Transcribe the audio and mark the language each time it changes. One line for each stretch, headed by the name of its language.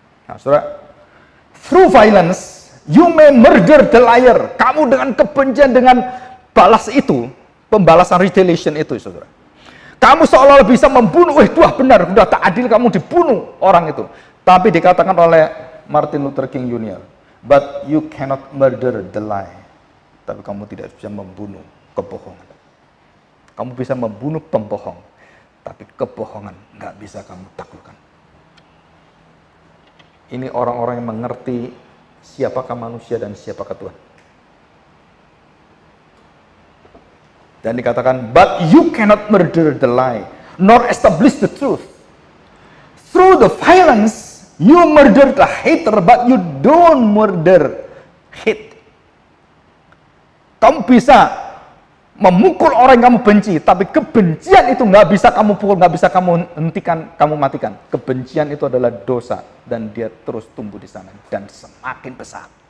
Indonesian: Nah, saudara,
English: through violence, you may murder the liar.
Indonesian: Kamu dengan kebencian, dengan balas itu, pembalasan retaliation itu, saudara. Kamu seolah-olah bisa membunuh, wah, tuh benar, sudah tak adil kamu dibunuh orang itu. Tapi dikatakan oleh Martin Luther King Jr.,
English: but you cannot murder the lie.
Indonesian: Tapi kamu tidak bisa membunuh kebohongan. Kamu bisa membunuh pembohong, tapi kebohongan enggak bisa kamu taklukkan. Ini orang-orang yang mengerti siapakah manusia dan siapakah Tuhan. Dan dikatakan,
English: but you cannot murder the lie, nor establish the truth. Through the violence, you murder the hater, but you don't murder hate.
Indonesian: Kamu bisa memukul orang yang kamu benci, tapi kebencian itu gak bisa kamu pukul, gak bisa kamu hentikan, kamu matikan. Kebencian itu adalah dosa, dan dia terus tumbuh di sana, dan semakin besar.